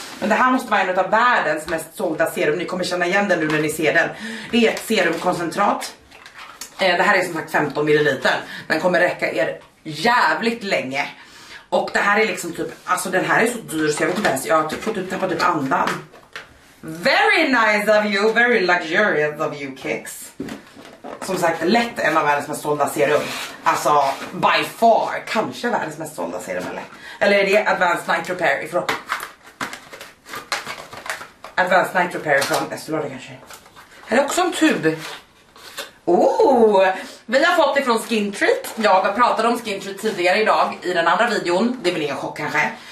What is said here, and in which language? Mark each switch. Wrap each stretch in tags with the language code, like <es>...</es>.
<sv>Men det här måste vara en av världens mest sålda serum. Ni kommer känna igen den nu när ni ser den. Det är ett serumkoncentrat. Det här är som sagt 15 ml. Den kommer räcka er jävligt länge. Och det här är liksom typ, alltså den här är så dyr så jag vet inte ens. Jag har typ fått tappa typ andan.</sv> <en>Very nice of you, very luxurious of you, Kix.</en> <sv>Som sagt, lätt en av världens mest sålda serum. Alltså,</sv> <en>by far,</en> <sv>kanske världens mest sålda serum, eller? Eller är det Advanced Night Repair ifrån? Advanced Night Repair ifrån Estée Lauder kanske. Här är också en tub. Oh, vi har fått det från Skin Treat. Jag har pratat om Skin Treat tidigare idag i den andra videon. Det är väl ingen chock kanske.</sv>